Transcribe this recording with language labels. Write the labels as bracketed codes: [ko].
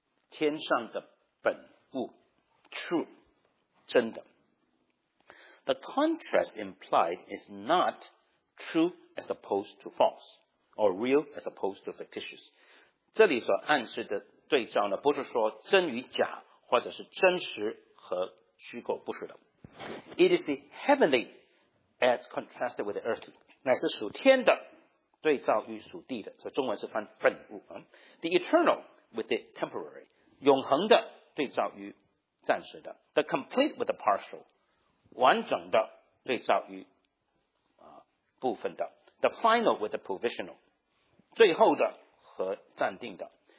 [zh] 天上的本物 ，true， 真的。 [en] The contrast implied is not true as opposed to false, or real as opposed to fictitious. [zh] 这里所暗示的对照呢，不是说真与假，或者是真实和虚构，不是的。 [en] It is the heavenly as contrasted with the earthly, [zh] 乃是属天的对照与属地的，所以中文是翻本物。 [en] The eternal with the temporary, [zh] 永恒的对照与暂时的。 [en] The complete with the partial, [zh] 完整的对照于、部分的。 [en] The final with the provisional, [zh] 最后的和暂定的。